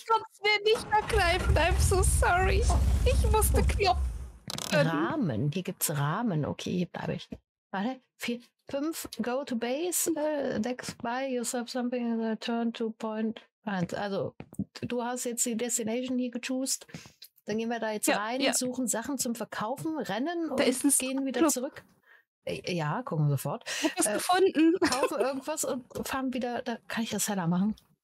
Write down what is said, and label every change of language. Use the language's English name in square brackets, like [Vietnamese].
[German] Ich konnte es mir nicht mehr greifen. [English] I'm so sorry. [German] Ich musste klopfen. Rahmen, hier gibt's Rahmen. Okay, hier bleibe ich. Warte, [English] 4, 5, go to base, next buy yourself something, turn to point 1. [German] Also, du hast jetzt die Destination hier gechoost. Dann gehen wir da jetzt rein, ja. Suchen Sachen zum Verkaufen, rennen da und gehen wieder zurück. Ja, gucken wir sofort. Ich hab was gefunden. Kaufen irgendwas und fahren wieder, da kann ich das heller machen.